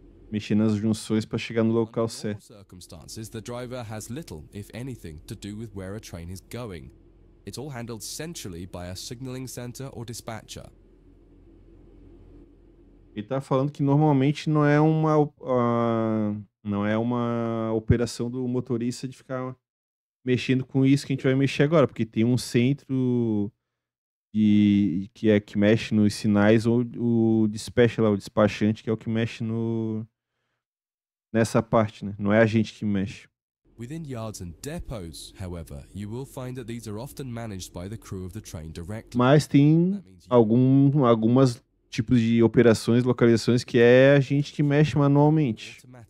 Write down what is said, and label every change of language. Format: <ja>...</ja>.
<pt>Mexer nas junções para chegar no local certo.</pt> <en>The driver has little, if anything, to do with where a train is going. It's all handled centrally by a signaling center or dispatcher.</en> <pt>Ele tá falando que normalmente não é uma operação do motorista de ficar mexendo com isso que a gente vai mexer agora, porque tem um centro que mexe nos sinais, ou o despachante, que é o que mexe no nessa parte, né? Não é a gente que mexe.</pt> <en>Within yards and depots, however, you will find that these are often managed by the crew of the train directly.</en> <pt>Mas tem algumas tipos de operações, localizações que é a gente que mexe manualmente.</pt>